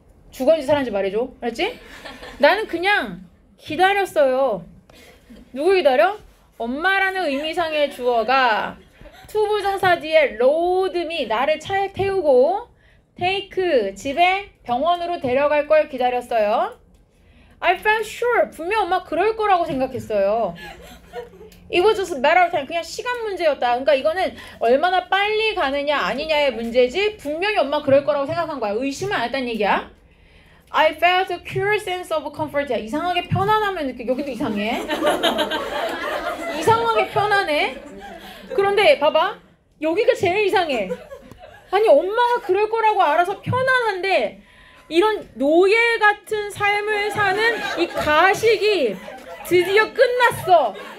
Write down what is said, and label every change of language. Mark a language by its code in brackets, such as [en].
[ko] 죽었는지 살았는지 말해줘. 알았지? 나는 그냥 기다렸어요. 누구 기다려? 엄마라는 의미상의 주어가 투부정사 뒤에 [en] load me [ko] 나를 차에 태우고 take 집에 병원으로 데려갈 걸 기다렸어요. [en] I felt sure [ko] 분명 엄마 그럴 거라고 생각했어요. [en] It was just a matter of time [ko] 그냥 시간 문제였다. 그러니까 이거는 얼마나 빨리 가느냐 아니냐의 문제지 분명히 엄마 그럴 거라고 생각한 거야. 의심은 안 했다는 얘기야. [en] I felt a curious sense of comfort. [ko] 야, 이상하게 편안하면 느껴. 여기도 이상해. 이상하게 편안해. 그런데 봐봐. 여기가 제일 이상해. 아니 엄마가 그럴 거라고 알아서 편안한데 이런 노예 같은 삶을 사는 이 가식이 드디어 끝났어.